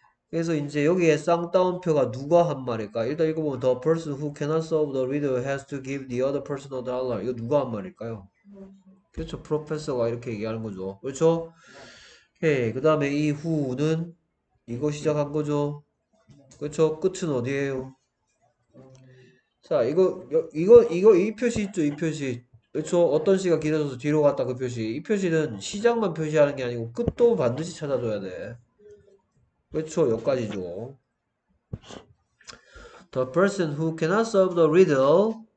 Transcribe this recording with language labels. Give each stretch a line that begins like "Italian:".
Korean: 그래서 이제 여기에 쌍따옴표가 누가 한 말일까? 일단 읽어보면
English: the person who cannot solve the riddle has to give the other person a dollar.
Korean: 이거 누가 한 말일까요? 그렇죠. 프로페서가 이렇게 얘기하는 거죠. 그렇죠? 오케이. 그 다음에 이 후는 이거 시작한 거죠. 그렇죠. 끝은 어디예요? 자, 이거 이 표시 있죠. 이 표시. 그렇죠. 어떤 시가 길어져서 뒤로 갔다 그 표시. 이 표시는 시작만 표시하는 게 아니고 끝도 반드시 찾아줘야 돼. 그렇죠.
English: 여기까지죠. The person who cannot solve the riddle